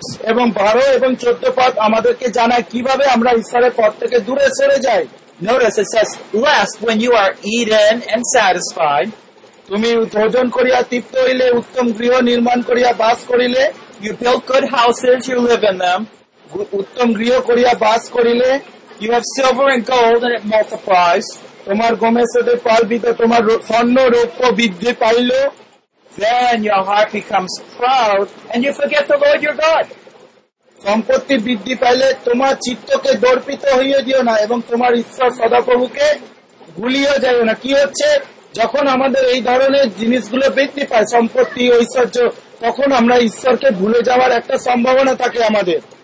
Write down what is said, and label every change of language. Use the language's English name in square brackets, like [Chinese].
[Bangla] এবং বারো এবং চোদ্দ পদ আমাদেরকে জানায় কিভাবে আমরা ঈশ্বরের পথ থেকে দূরে সরে যাই। [English] Notice it says, lest when you are eaten and satisfied, [Bangla] তুমি ভোজন করিয়া তৃপ্ত হইলে, উত্তম গৃহ নির্মাণ করিয়া বাস করিলে, [English] you build good houses, you live in them, [Bangla] উত্তম গৃহ করিয়া বাস করিলে, [English] you have silver and gold and it multiplies, [Bangla] তোমার গোমেশদের পালবিতে তোমার স্বর্ণ রৌপ্য বৃদ্ধি pile, [English] then your heart becomes proud and you forget the Lord your God. [Bangla] সম্পত্তি বৃদ্ধি পাইলে তোমার চিত্তকে দর্পিত হইয়ে দিও না এবং তোমার ঈশ্বর সদাপ্রভুকে ভুলিয়ে যাইও না। কি হচ্ছে, যখন আমাদের এই ধরনের জিনিসগুলো বৃদ্ধি পায়, সম্পত্তি ঐশ্বর্য, তখন আমরা ঈশ্বরকে ভুলে যাওয়ার একটা সম্ভাবনা থাকে আমাদের।